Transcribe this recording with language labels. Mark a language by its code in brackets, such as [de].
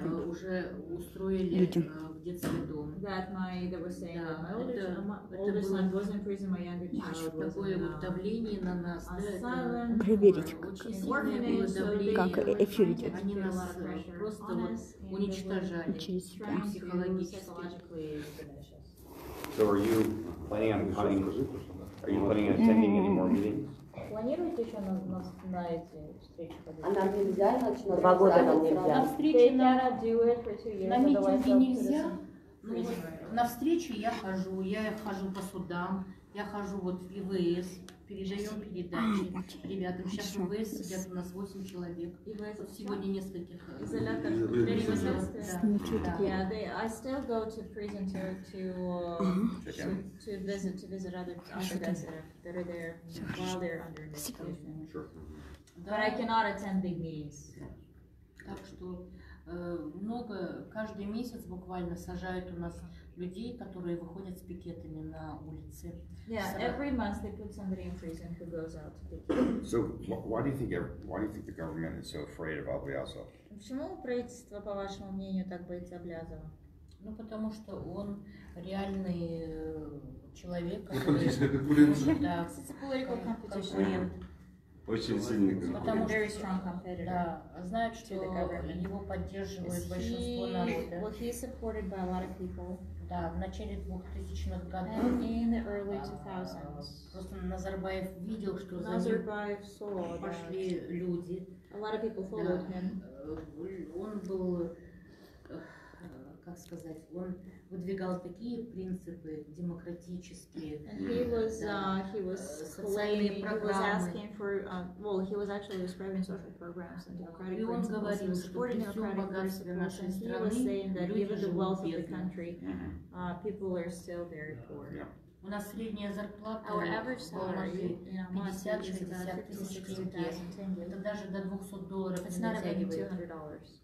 [ru] Уже устроили в детский дом. Такое вот давление на нас. Проверить, как эфир идет. Они нас просто уничтожали психологически. [en] So are you planning on coming? Are you planning on attending any more meetings? [ru] Планируете еще на эти встречи ходить? Она нельзя, значит, на 2 года нам нельзя. На встречи на митинги нельзя. Ну, на встречи я хожу по судам, я хожу вот в ИВС. Передаем передачи ребятам. Сейчас в ВС сидят у нас 8 человек. Сегодня нескольких. [en] I still go to prison to visit other prisoners that are there while they're under investigation. But I cannot attend big meetings. [ru] Так что много, каждый месяц буквально сажают у нас людей, которые выходят с пикетами на улице. [en] Yeah, every month they put somebody in prison who goes out to picket. So why do you think the government is so afraid of Облязова? [ru] Почему правительство, по вашему мнению, так боится Облязова? Ну потому что он реальный человек, конкурент. Очень сильный конкурент. Да, знает, что его поддерживает большинство народа. [en] Well, he is supported by a lot of people. [ru] Да, в начале 2000-х годов. [en] In the early 2000s. [ru] Просто Назарбаев видел, что за ним пошли люди. [en] A lot of people followed him. [ru] Он был, как сказать, он выдвигал такие принципы демократические. [en] And he was, да, he was claiming, he was asking for, well, he was actually describing social programs and democratic principles. [ru] И он говорил, что при всем богатстве нашей страны, люди живут бедно. [en] He was saying that even the wealth of the country, people are still very poor. [ru] У нас средняя зарплата в Москве 50-60 тысяч тенге. Это даже до $200 не дотягивает.